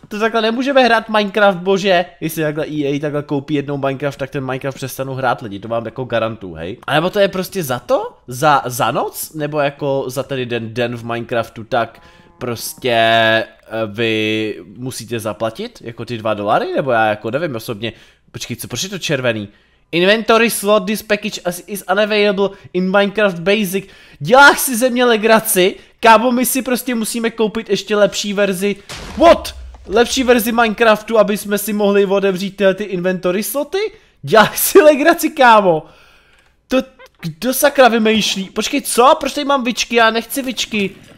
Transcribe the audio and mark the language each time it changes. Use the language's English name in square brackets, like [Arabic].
[Czech] To takhle nemůžeme hrát Minecraft, bože! Jestli takhle EA takhle koupí jednou Minecraft, tak ten Minecraft přestanu hrát, lidi, to vám jako garantuju, hej? A nebo to je prostě za to? Za noc? Nebo jako za tady den v Minecraftu, tak... Prostě vy musíte zaplatit jako ty 2 dolary, nebo já jako nevím osobně. Počkej, co, proč je to červený? [English] Inventory slot, this package is unavailable in Minecraft Basic. [Czech] Děláš si ze mě legraci? Kámo, my si prostě musíme koupit ještě lepší verzi. [English] What? [Czech] Lepší verzi Minecraftu, aby jsme si mohli otevřít ty inventory sloty? Děláš si legraci, kámo? To, kdo sakra vymýšlí? Počkej, co? Proč tady mám vičky? Já nechci vičky.